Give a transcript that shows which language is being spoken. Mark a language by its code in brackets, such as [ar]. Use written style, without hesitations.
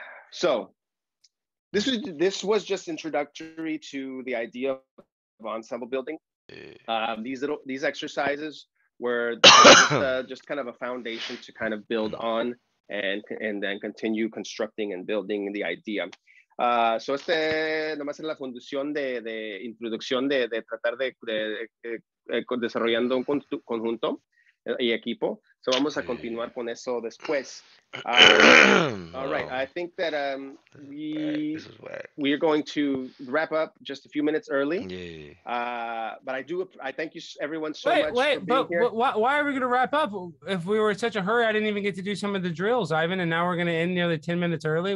[en] So this was just introductory to the idea of ensemble building. These exercises were just kind of a foundation to kind of build on and then continue constructing and building the idea. [es] So este nomás es la fundación de introducción de tratar de desarrollando un conjunto y equipo. So vamos a continuar con eso después. All right. [en] I think that we are going to wrap up just a few minutes early. But I thank you everyone so much. Wait, why are we going to wrap up? If we were in such a hurry, I didn't even get to do some of the drills, Ivan, and now we're going to end nearly 10 minutes early.